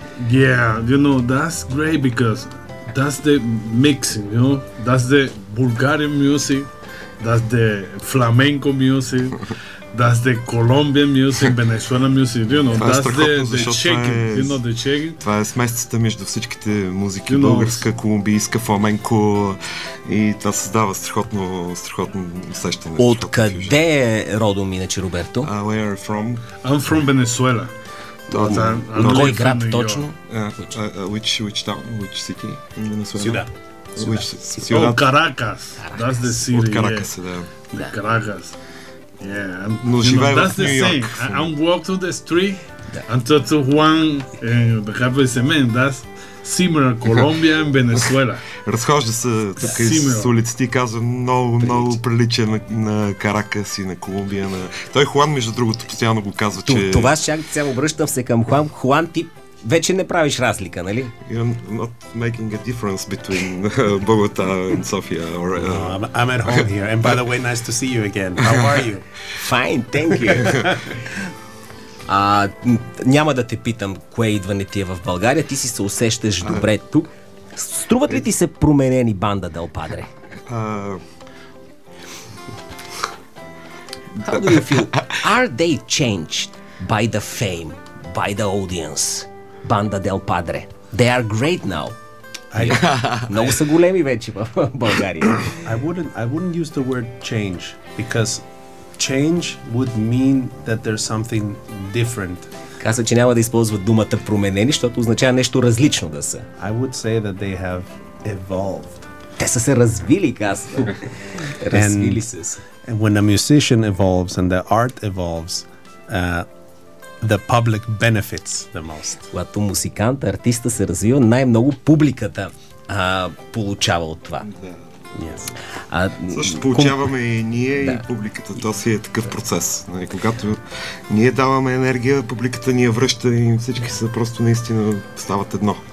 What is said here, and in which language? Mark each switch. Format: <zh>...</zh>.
<en>Yeah, you know, that's great because that's the mixing, you know, that's the Bulgarian music. That's the flamenco music, that's the Colombian music, Venezuelan music, you know, that's the shaking, you know, the shaking.</en> <bg>Това е смесицата между всичките музики, you know, българска, колумбийска, фламенко, и това създава страхотно усещане. Откъде е родом иначе, Роберто?</bg> <en>Where are you from? I'm from Venezuela.</en> <bg>Кой град точно?</bg> <en>Which town, which city in Venezuela? Ciudad. Каракас. That's the city.</en> <bg>От Каракас, да.</bg> <en>Каракас. Yeah.</en> <bg>Но живее в Нью-Йорк. That's</bg> <en>the same. I walk to the street and talk to Juan and have a cement. That's similar Colombia and Venezuela.</en> <bg>Разхожда се тук с улиците и казва много прилича на Каракас и на Колумбия. Той Хуан, между другото, постоянно го казва, че... Това ще обръщам се към Хуан. Хуан, ти вече не правиш разлика, нали?</bg> <en>You're not making a difference between Bogota and Sofia. Or, No, I'm at home here. And by the way, nice to see you again. How are you? Fine, thank you.</en> <bg>Няма да те питам кое идване ти е в България. Ти си се усещаш добре тук. Струват ли ти се променени банда Дел Падре?</bg> <en>How do you feel? Are they changed by the fame, by the audience? Банда Дел Падре. They are great now.</en> <bg>Много са големи вече в България.</bg> <en>I wouldn't use the word change, because change would mean that there's something different.</en> <bg>Каза, че няма да използва думата променени, защото означава нещо различно да са.</bg> <en>I would say that they have evolved.</en> <bg>Те са се развили, каза. Развили се.</bg> <en>And when a musician evolves and the art evolves, the public benefits the most.</en> <bg>Когато музикант, артиста се развива, най-много публиката получава от това. Да,</bg> <en>Yes.</en> <bg>Също получаваме и ние, да, и публиката. То си е такъв процес. Когато ние даваме енергия, публиката ни я връща и всички са просто наистина стават едно.</bg>